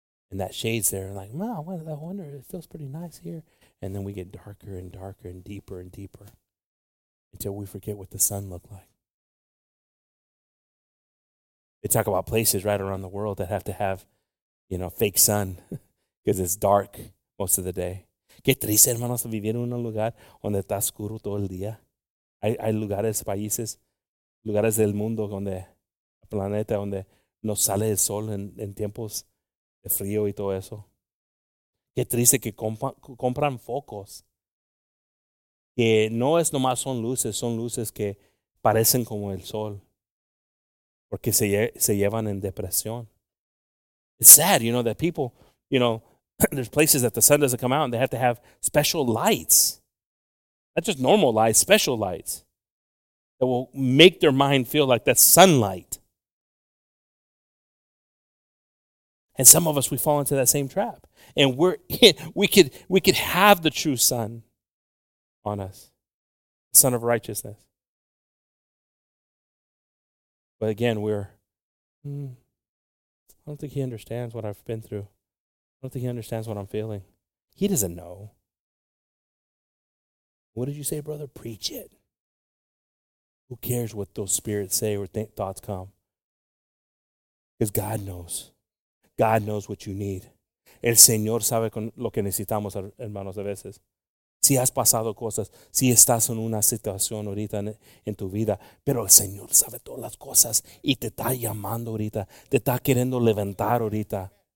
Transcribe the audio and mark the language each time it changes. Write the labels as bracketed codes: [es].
[en] And that shade's there. And like, wow, I wonder, it feels pretty nice here. And then we get darker and darker and deeper until we forget what the sun looked like. They talk about places right around the world that have to have, you know, fake sun because it's dark most of the day. [es] Qué triste, hermanos, vivir en un lugar donde está oscuro todo el día. Hay lugares, países, lugares del mundo donde, planeta donde no sale el sol en tiempos de frío y todo eso. Qué triste que compran focos que no es nomás son luces que parecen como el sol porque se llevan en depresión. [en] It's sad, you know, that people, you know, there's places that the sun doesn't come out and they have to have special lights. Not just normal lights, special lights that will make their mind feel like that sunlight. And some of us, we fall into that same trap. And we could have the true sun on us, the sun of righteousness. But again, I don't think he understands what I've been through. I don't think he understands what I'm feeling. He doesn't know. What did you say, brother? Preach it. Who cares what those spirits say or thoughts come? Because God knows. God knows what you need. [es] El Señor sabe con lo que necesitamos, hermanos, a veces. Si has pasado cosas, si estás en una situación ahorita en tu vida, pero el Señor sabe todas las cosas y te está llamando ahorita, te está queriendo levantar ahorita.